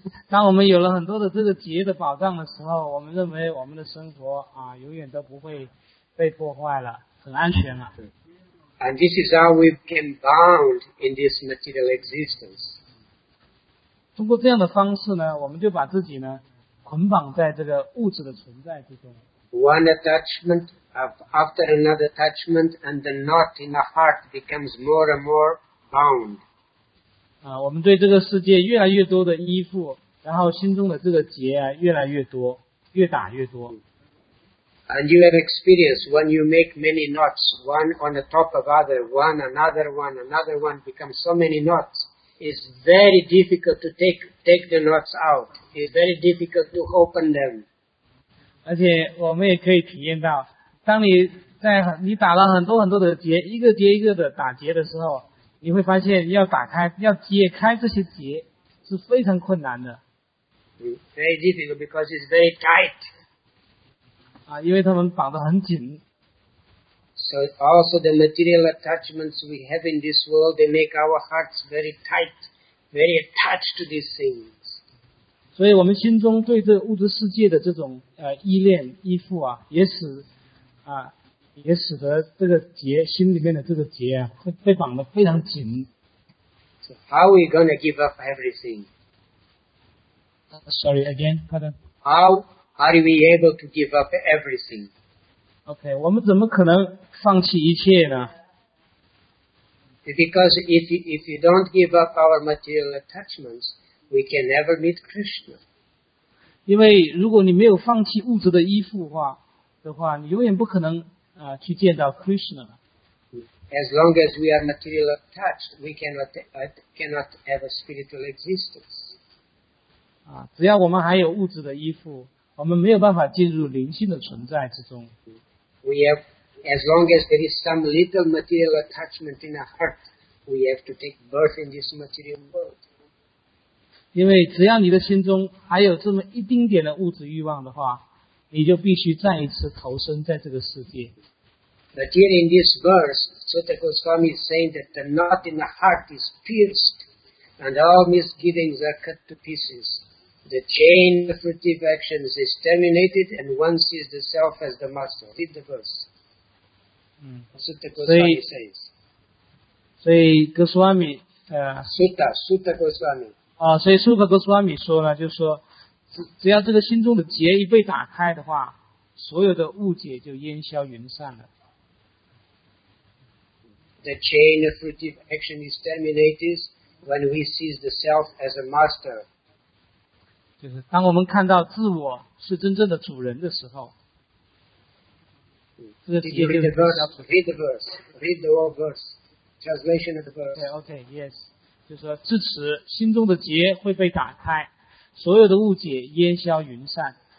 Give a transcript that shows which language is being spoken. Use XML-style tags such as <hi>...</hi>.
<zh>当我们有了很多的这个结的保障的时候，我们认为我们的生活啊，永远都不会被破坏了，很安全了。</zh> <en>And this is how we became bound in this material existence.</en> <zh>通过这样的方式呢，我们就把自己呢捆绑在这个物质的存在之中。</zh> <en>One attachment. After another attachment, and the knot in the heart becomes more and more bound.</en> <zh>啊，我们对这个世界越来越多的依附，然后心中的这个结啊越来越多，越打越多。</zh> <en>And you have experience when you make many knots, one on the top of other, one another one, another one becomes so many knots. It's very difficult to take the knots out. It's very difficult to open them.</en> <zh>而且我们也可以体验到。当你打了很多很多的结，一个结一个的打结的时候，你会发现要打开，要解开这些结是非常困难的。</zh> <en>Very difficult because it's very tight.</en> <zh>啊，因为他们绑得很紧。</zh> <en>So also the material attachments we have in this world, they make our hearts very tight, very attached to these things.</en> <zh>所以我们心中对这物质世界的这种依恋依附啊，也使得这个结心里面的这个结啊，被绑得非常紧。</zh> <en>So how are we going to give up everything? Sorry again, pardon. How are we able to give up everything?</en> <zh>Okay, 我们怎么可能放弃一切呢？</zh> <en>Because if you don't give up our material attachments, we can never meet Krishna.</en> <zh>因为如果你没有放弃物质的依附的话，你永远不可能去见到 Krishna。</zh> <en>As long as we are materially attached, we cannot have a spiritual existence.</en> <zh>啊，只要我们还有物质的衣服，我们没有办法进入灵性的存在之中。</zh> <en>We have, as long as there is some little material attachment in our heart, we have to take birth in this material world.</en> <zh>因为只要你的心中还有这么一丁点的物质欲望的话，你就必须再一次投身在这个世界。</zh> <en>But here in this verse, Sutta Goswami is saying that the knot in the heart is pierced, and all misgivings are cut to pieces. The chain of fruitive actions is terminated, and one sees the self as the master. Read the verse. Sutta Goswami says.</en> <zh>所以 Goswami,</zh> <en>Sutta Goswami.</en> <zh>啊，所以 Sutta Goswami 说呢，就是说，只要这个心中的结一被打开的话，所有的误解就烟消云散了。</zh> <en>The chain of fruitive action is terminated when we see the self as a master.</en> <zh>就是当我们看到自我是真正的主人的时候。</zh> <en>Did you read the verse? Read the verse. Read the whole verse. Translation of the verse. Okay, yes.</en> <zh>就是至此心中的结会被打开，所有的误解烟消云散。</zh>